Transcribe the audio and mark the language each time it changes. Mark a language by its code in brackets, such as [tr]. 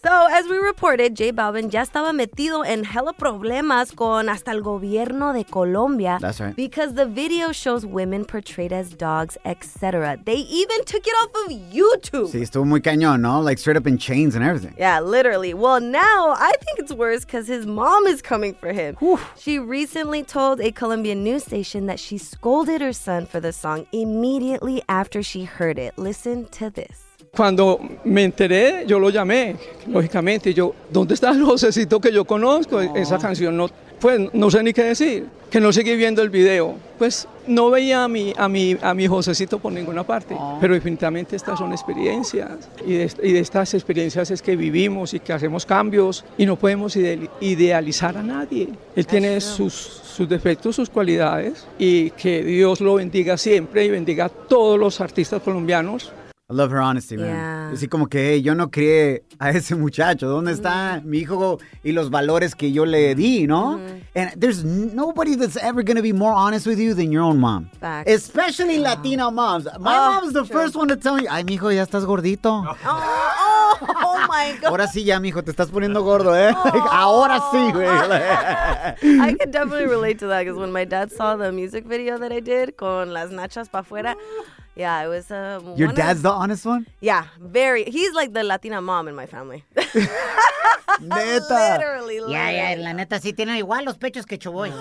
[en] So, as we reported, [es] J Balvin ya estaba metido en hella problemas con hasta el gobierno de Colombia. [en] That's right. Because the video shows women portrayed as dogs, etc. They even took it off of YouTube. [es] Sí, estuvo muy cañón, ¿no? [en] Like, straight up in chains and everything. Yeah, literally. Well, now, I think it's worse because his mom is coming for him. Oof. She recently told a Colombian news station that she scolded her son for the song immediately after she heard it. Listen to this. [es] Cuando me enteré, yo lo llamé, lógicamente, y yo, ¿dónde está el vocecito que yo conozco? Oh. Esa canción no, pues no sé ni qué decir, que no seguí viendo el video. Pues no veía a mi vocecito por ninguna parte, oh. Pero definitivamente estas son experiencias, y de estas experiencias es que vivimos y que hacemos cambios, y no podemos idealizar a nadie. Él tiene sus defectos, sus cualidades, y que Dios lo bendiga siempre y bendiga a todos los artistas colombianos. [en] I love her honesty, man. Yeah. [es] Así como que, hey, yo no crié a ese muchacho. ¿Dónde está mi hijo y los valores que yo le di, no? [en] And there's nobody that's ever going to be more honest with you than your own mom. Facts. Especially Latina moms. My mom's the first one to tell me, [es] ay, mijo, ya estás gordito. [en] Oh my God. [es] Ahora sí ya, mijo, te estás poniendo gordo, ¿eh? Like, ahora sí, güey. [en] I can definitely relate to that because when my dad saw the music video that I did [es] con las nachas pa' fuera, [en] yeah, it was... Your dad's the honest one? Yeah, very. He's like the Latina mom in my family. [es] Neta. [en] Literally. Yeah, yeah, [es] la neta, sí tienen igual los pechos que Shaboy.